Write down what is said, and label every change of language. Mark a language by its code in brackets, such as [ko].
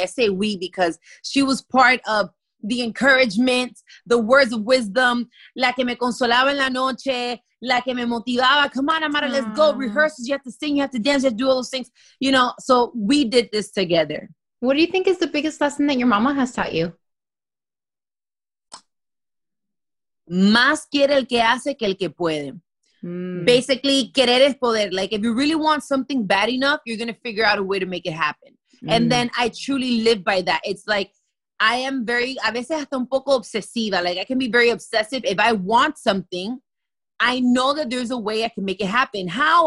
[en] I say we because she was part of the encouragement, the words of wisdom, [es] la que me consolaba en la noche, la que me motivaba. [en] Come on, Amara, let's go. Rehearsals, you have to sing, you have to dance, you have to do all those things. You know, so we did this together. What do you think is the biggest lesson that your mama has taught you? [es] Más quiere el que hace que el que puede. [en] Basically, [es] querer es poder. [en] Like, if you really want something bad enough, you're going to figure out a way to make it happen. And then I truly live by that. It's like, I am very, [es] a veces hasta un poco obsesiva. [en] Like, I can be very obsessive. If I want something, I know that there's a way I can make it happen. How?